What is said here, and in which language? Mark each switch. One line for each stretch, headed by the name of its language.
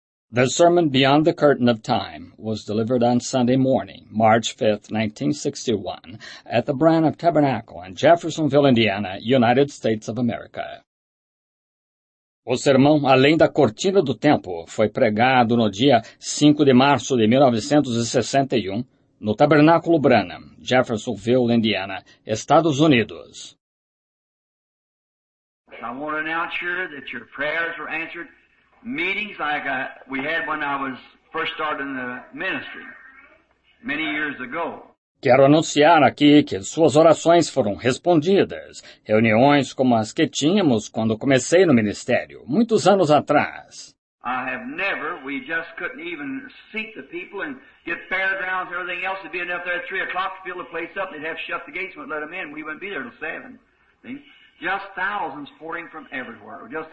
English: The sermon Beyond the Curtain of Time was delivered on Sunday morning, March 5, 1961, at the Branham Tabernacle in Jeffersonville, Indiana, United States of America.
Portuguese: O sermão Além da Cortina do Tempo foi pregado no dia 5 de março de 1961, no Tabernáculo Branham, Jeffersonville, Indiana, Estados Unidos.
English: I want to announce you that your prayers were answered. Meetings like we had when I was first starting the ministry many years ago.
Portuguese: Quero anunciar aqui que suas orações foram respondidas, reuniões como as que tínhamos quando comecei no ministério, muitos anos atrás.
English: I have never, we just couldn't even seat the people and get fairgrounds and everything else. It'd be enough there at 3 o'clock to fill the place up. They'd have to shut the gates and let them in. We wouldn't be there till 7. Just thousands pouring from everywhere.